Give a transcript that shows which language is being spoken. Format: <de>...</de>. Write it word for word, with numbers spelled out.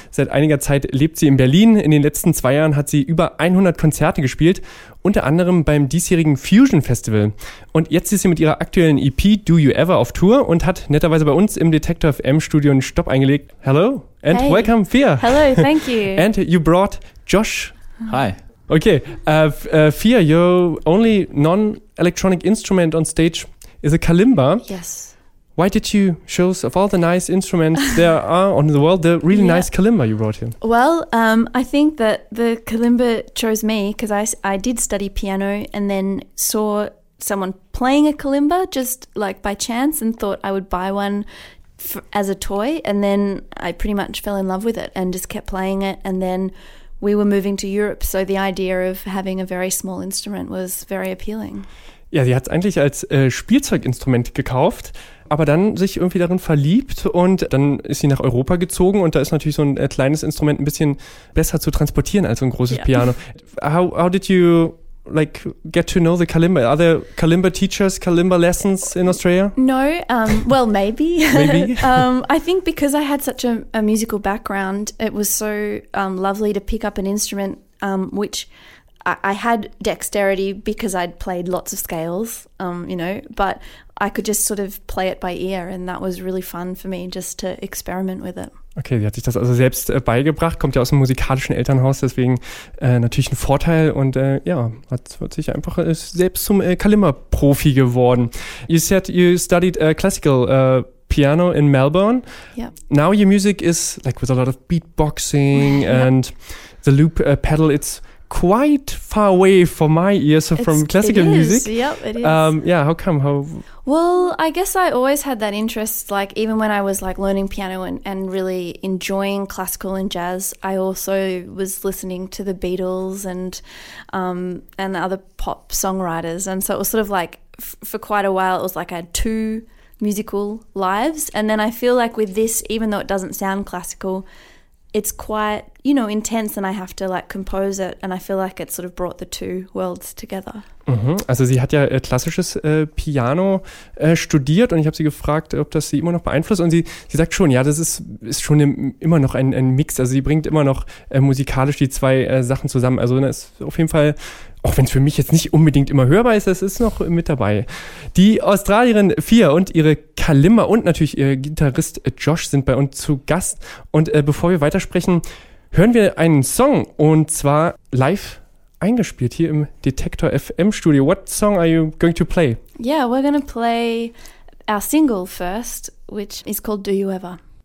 <de>Seit einiger Zeit lebt sie in Berlin. In den letzten zwei Jahren hat sie über hundert Konzerte gespielt, unter anderem beim diesjährigen Fusion Festival. Und jetzt ist sie mit ihrer aktuellen E P Do You Ever auf Tour und hat netterweise bei uns im Detektor F M Studio einen Stopp eingelegt.</de> <en>Hello and hey. Welcome, Fia. Hello, thank you. And you brought Josh. Hi. Okay, uh, uh, Fia, your only non-electronic instrument on stage is a kalimba. Yes. Why did you choose, of all the nice instruments there are on the world, the really Yeah. nice kalimba you brought here? Well, um, I think that the kalimba chose me because I, s- I did study piano and then saw someone playing a kalimba just like by chance and thought I would buy one f- as a toy. And then I pretty much fell in love with it and just kept playing it. And then we were moving to Europe, so the idea of having a very small instrument was very appealing.</en> <de>Ja, sie hat es eigentlich als äh, Spielzeuginstrument gekauft, aber dann sich irgendwie darin verliebt und dann ist sie nach Europa gezogen und da ist natürlich so ein äh, kleines Instrument ein bisschen besser zu transportieren als so ein großes Ja. Piano.</de> <en>How, how did you like get to know the kalimba? Are there kalimba teachers, kalimba lessons in Australia? No, um, well, maybe. Maybe. um, I think because I had such a, a musical background, it was so um, lovely to pick up an instrument, um, which I, I had dexterity because I'd played lots of scales, um, you know, but I could just sort of play it by ear, and that was really fun for me just to experiment with it.</en> <de>Okay, sie hat sich das also selbst äh, beigebracht, kommt ja aus einem musikalischen Elternhaus, deswegen äh, natürlich ein Vorteil und äh, ja, hat, hat sich einfach äh, selbst zum äh, Kalimba-Profi geworden.</de> <en>You said you studied uh, classical uh, piano in Melbourne. Yeah. Now your music is like with a lot of beatboxing and the loop uh, pedal. It's quite far away from my ears so from It's- classical it is. music. Yep, it is. Um, yeah, how come? How Well, I guess I always had that interest, like even when I was like learning piano and, and really enjoying classical and jazz, I also was listening to the Beatles and um, and other pop songwriters. And so it was sort of like f- for quite a while, it was like I had two musical lives. And then I feel like with this, even though it doesn't sound classical, it's quite, you know, intense and I have to like compose it. And I feel like it sort of brought the two worlds together. Mhm.</en> <de>Also sie hat ja äh, klassisches äh, Piano äh, studiert und ich habe sie gefragt, ob das sie immer noch beeinflusst und sie, sie sagt schon, ja, das ist, ist schon im, immer noch ein, ein Mix, also sie bringt immer noch äh, musikalisch die zwei äh, Sachen zusammen, also das ist auf jeden Fall, auch wenn es für mich jetzt nicht unbedingt immer hörbar ist, das ist noch mit dabei. Die Australierin Fia und ihre Kalimba und natürlich ihr Gitarrist äh, Josh sind bei uns zu Gast und äh, bevor wir weitersprechen, hören wir einen Song und zwar live eingespielt hier im Detektor F M Studio.</de> <en>What song are you going to play? Yeah, we're going to play our single first, which is called Do You Ever?</en>